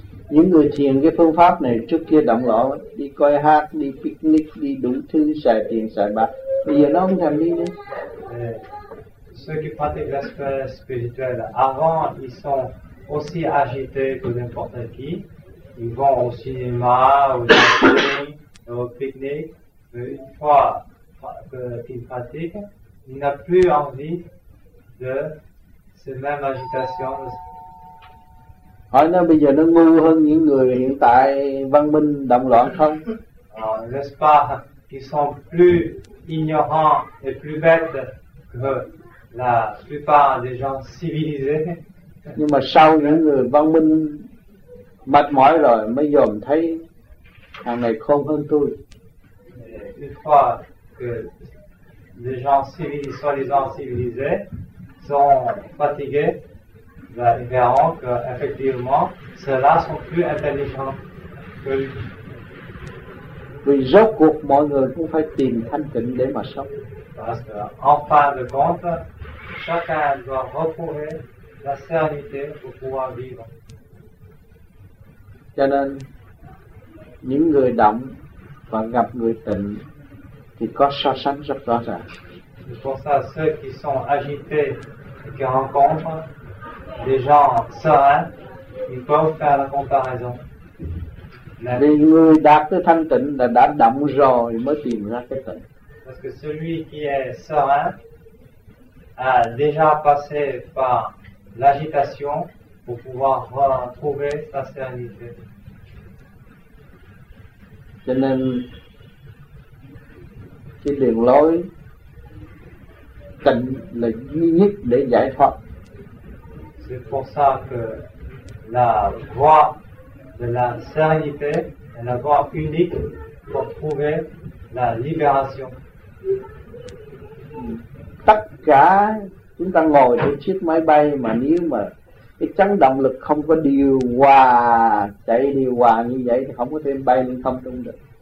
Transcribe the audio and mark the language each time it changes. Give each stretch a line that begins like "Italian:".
Vietnamese: Những người thiền cái phương pháp này trước kia động loạn, đi coi hát, đi picnic, đi đủ thứ, xài tiền, xài bạc. Bây giờ nó không thèm đi nữa.
French: Ceux qui pratiquent l'aspect spirituel, avant ils sont aussi agités que n'importe qui. Ils vont au cinéma, au jardin, au picnic. Mais une fois qu'il pratique, il n'a plus envie de ces mêmes agitations.
Vietnamese: Hỏi nó bây giờ nó ngu hơn những người hiện tại văn minh động loạn không?
French: N'est-ce pas qu'ils sont plus ignorants et plus bêtes que la plupart des gens civilisés?
Vietnamese: Nhưng mà sau những người văn minh mệt mỏi rồi mới dòm thấy thằng này khôn hơn tôi.
French: Une fois que les gens civils, soi-disant civilisés, sont fatigués, ben, ils verront qu'effectivement, ceux-là sont plus intelligents que lui.
Vietnamese: Vì rốt cuộc, mọi người cũng phải tìm thanh tịnh để mà sống.
French: Parce qu'en fin de compte, chacun doit retrouver la sérénité pour pouvoir vivre.
Vietnamese: Cho nên, những người động và gặp người tịnh thì có so sánh rất rõ ràng.
French: C'est pour ça ceux qui sont agités et qui rencontrent des gens sereins, ils peuvent faire la comparaison.
Vietnamese: Les người đạt tới thanh tịnh là đã động rồi mới tìm ra cái tịnh.
French: Parce que celui qui est serein a déjà passé par l'agitation pour pouvoir retrouver sa sérénité.
Vietnamese: Cho nên cái đường lối tịnh là duy nhất để giải thoát.
French: C'est pour ça que la voie de la sérénité est la voie unique pour trouver la libération.
Vietnamese: Tất cả chúng ta ngồi trên chiếc máy bay mà nếu mà cái chấn động lực không có điều hòa, chạy điều hòa như vậy thì không có thêm bay lên không trung được.